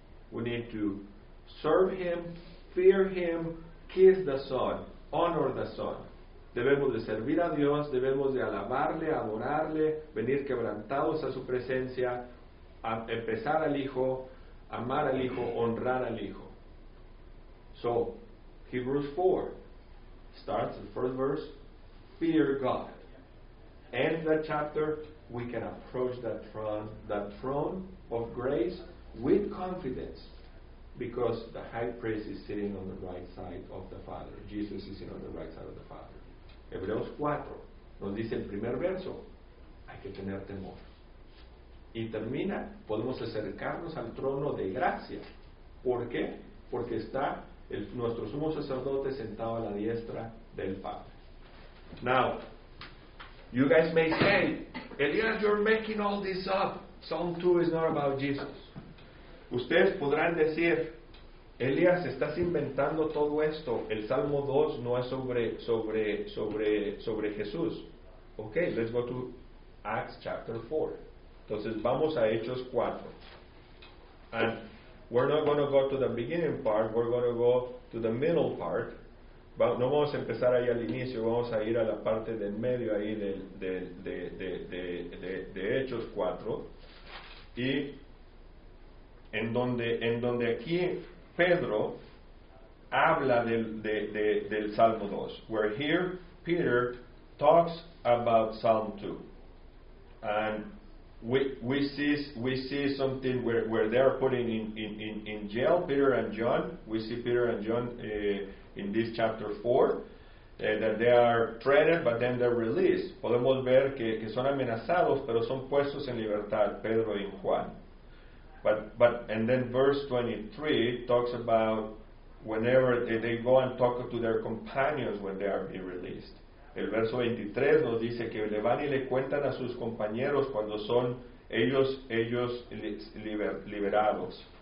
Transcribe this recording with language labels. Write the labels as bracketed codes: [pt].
[en] We need to serve Him, fear Him, kiss the Son, honor the Son. [es] Debemos de servir a Dios, debemos de alabarle, adorarle, venir quebrantados a su presencia, a empezar al Hijo, amar al Hijo, honrar al Hijo. [en] So, Hebrews 4 starts the first verse, fear God. End the chapter, we can approach that throne of grace with confidence, because the high priest is sitting on the right side of the Father. Jesus is sitting on the right side of the Father. [es] Hebreos 4 nos dice el primer verso, hay que tener temor. Y termina, podemos acercarnos al trono de gracia. ¿Por qué? Porque está nuestro sumo sacerdote sentado a la diestra del Padre. [en] Now, you guys may say, Elias, you're making all this up. Psalm 2 is not about Jesus. [es] Ustedes podrán decir, Elias, estás inventando todo esto. El Salmo 2 no es sobre Jesús. [en] Ok, let's go to Acts chapter 4. [es] Entonces, vamos a Hechos 4. [en] And we're not going to go to the beginning part, we're going to go to the middle part. [es] No vamos a empezar ahí al inicio, vamos a ir a la parte de medio ahí de Hechos 4, y en donde aquí Pedro habla del Salmo 2. [en] Where here Peter talks about Psalm 2, and we see something where they are putting in jail Peter and John. We see Peter and John in this chapter 4, that they are threatened, but then they're released. [es] Podemos ver que son amenazados, pero son puestos en libertad, Pedro y Juan. [en] But and then verse 23 talks about whenever they go and talk to their companions when they are being released. [es] El verso 23 nos dice que le van y le cuentan a sus compañeros cuando son ellos liberados.